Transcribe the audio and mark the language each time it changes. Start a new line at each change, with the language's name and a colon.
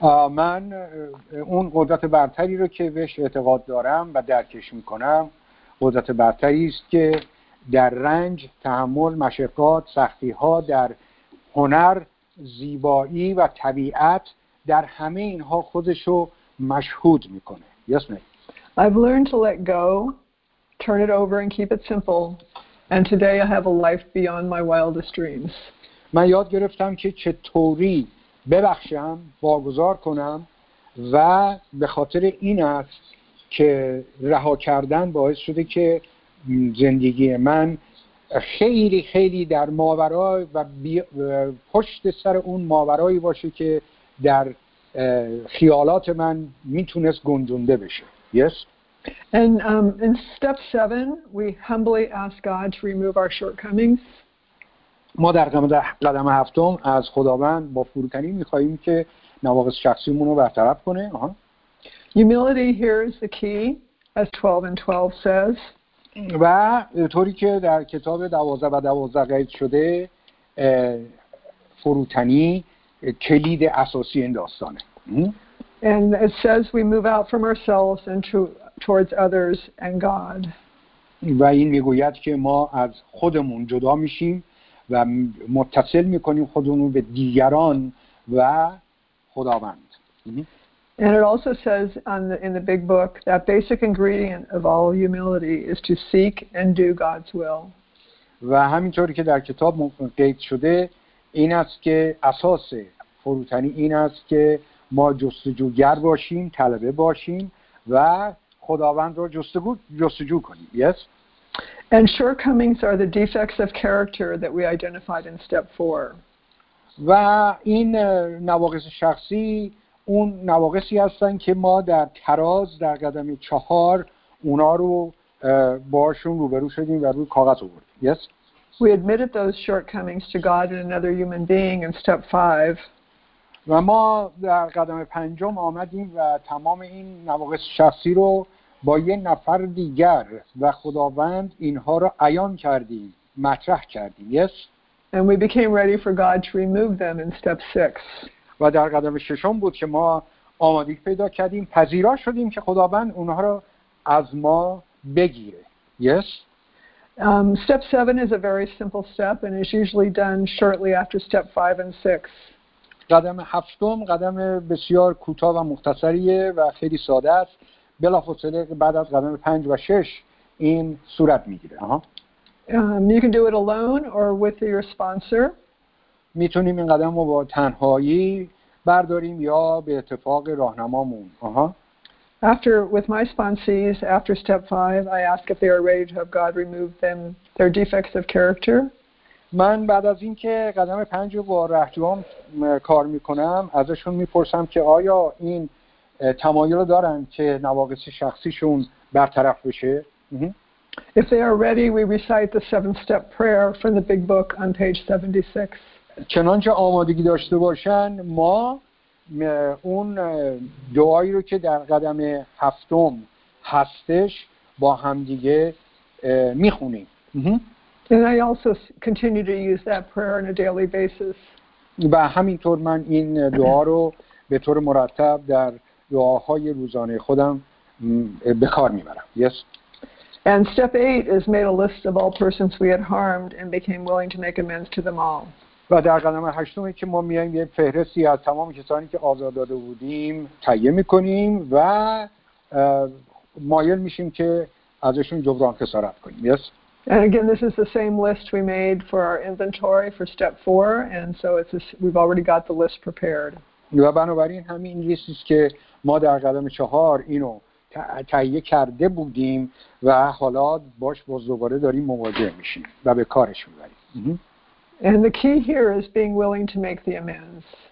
Persian: من اون قدرت برتری رو که بهش اعتقاد دارم و درکش میکنم قدرت برتری است که در رنج، تحمل، مشقات، سختی ها، در هنر، زیبایی و طبیعت در همه اینها خودشو مشهود میکنه.
English: Yes, ma'am. I've learned to let go, turn it over and keep it simple. And today I have a life beyond my wildest dreams.
Persian: من یاد گرفتم که چطوری ببخشم، واگذار کنم و به خاطر این است که رها کردن باعث شده که زندگی من خیلی خیلی در ماورای و پشت سر اون ماورایی باشه که در خیالات من میتونست گنجونده بشه.
English: Yes. And in step 7 we humbly ask God to remove our shortcomings.
Persian: ما در قدم هفتم از خداوند با فروتنی می‌خوایم که نواقص شخصیمون رو برطرف کنه.
English: Humility here is the key as 12 and 12 says.
Persian: و طوری که در کتاب 12 و 12 قید شده فروتنی کلید اساسی این داستانه.
English: And it says we move out from ourselves and towards others and God.
Persian: و این میگوید که ما از خودمون جدا میشیم و متصل میکنیم خودمون به دیگران و خداوند.
English: And it also says in the big book that basic ingredient of all humility is to seek and do God's will.
Persian: و همینطوری که در کتاب قید شده این است که اساس فروتنی این است که ما جستجوگر باشیم، طلبه باشیم و خداوند رو جستجو کنیم.
English: Yes. And shortcomings are the defects of character that we identified in step 4.
Persian: و این نواقص شخصی اون نواقصی هستن که ما در تراز در قدم 4 اونا رو باشون روبرو شدیم و روی کاغذ آوردیم.
English: Yes. We admitted those shortcomings to God and another human being in step 5.
Persian: و ما در قدم 5 آمدیم و تمام این نواقص شخصی رو با یه نفر دیگر و خداوند اینها رو عیان کردیم، مطرح کردیم.
English: Yes. And we became ready for God to remove them in step 6.
Persian: و در قدم 6 بود که ما آمادگی پیدا کردیم، پذیرا شدیم که خداوند اونها رو از ما بگیره.
English: Yes. Step 7 is a very simple step and is usually done shortly after step 5 and 6.
Persian: قدم 7 قدم بسیار کوتاه و مختصریه و خیلی ساده است. بلافاصله بعد از قدم 5 و 6 این صورت میگیره.
English: You can do it alone or with your sponsor.
Persian: میتونیم این قدم رو با تنهایی برداریم یا به اتفاق راهنمامون. آها.
English: After with my sponsees after step 5 I ask if they are ready to have God remove them their defects of character.
Persian: من بعد از اینکه قدم 5 رو با رهجوام کار میکنم ازشون میپرسم که آیا این تمایل دارن که نواقص شخصیشون برطرف بشه.
English: If they are ready we recite the 7th step prayer from the big book on page 76.
Persian: چنانچه آمادگی داشته باشن ما اون دعایی رو که در قدم هفتم هستش با همدیگه میخونیم.
English: And I also continue to use that prayer on a daily basis.
Persian: و همینطور من این دعا رو به طور مرتب در دعاهای روزانه خودم به کار میبرم.
English: Yes. And step 8 is made a list of all persons we had harmed and became willing to make amends to them all.
Persian: و در قدم هشتمی که ما میایم یه فهرستی از تمام کسانی که آزار داده بودیم تهیه میکنیم و مایل میشیم که ازشون جبران خسارت کنیم.
English: Yes. And again this is the same list we made for our inventory for step 4 and so it's this, we've already got the list prepared.
Persian: و بنابراین همین لیستی است که ما در قدم 4 اینو تهیه کرده بودیم و حالا باش باز دوباره داریم مواجه میشیم و به کارش میبریم.
English: And the key here is being willing to make the amends.